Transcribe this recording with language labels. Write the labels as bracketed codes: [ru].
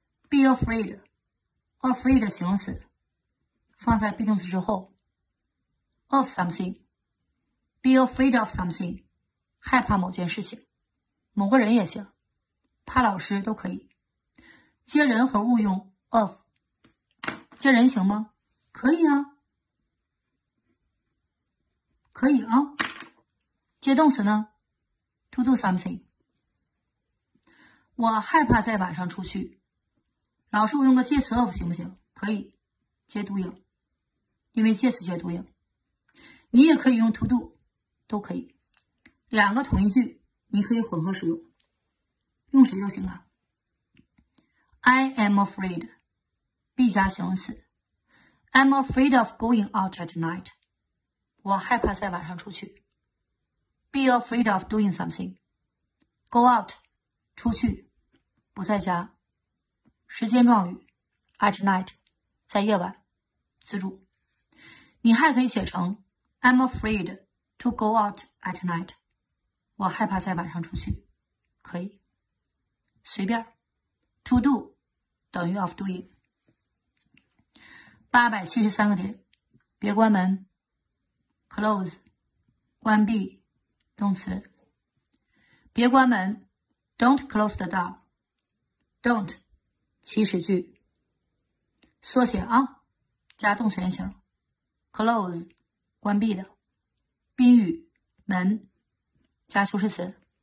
[zh] Be afraid，afraid 形容词，放在 be 动词之后，of something，be afraid of something，害怕某件事情，某个人也行。怕老师都可以，接人和物用 of，接人行吗？可以啊，可以啊。接动词呢？To do something。我害怕在晚上出去。老师，我用个介词 of 行不行？可以，接 doing，因为介词接 doing。你也可以用 to do，都可以。两个同一句，你可以混合使用。用谁就行了。 [en] I am afraid. [zh] be 加形容词。 [en] I'm afraid of going out at night. [zh] 我害怕在晚上出去。 [en] Be afraid of doing something. [zh] Go out. 出去。不在家。时间状语。At night. 在夜晚。记住。你还可以写成 [en] I'm afraid to go out at night. [zh] 我害怕在晚上出去。可以。随便，to do 等于 of doing。 873个点，别关门，close，关闭，动词。别关门， [en] don't close the door， [zh] don't，祈使句，缩写啊，加动词原形，close，关闭的，宾语，门，加修饰词。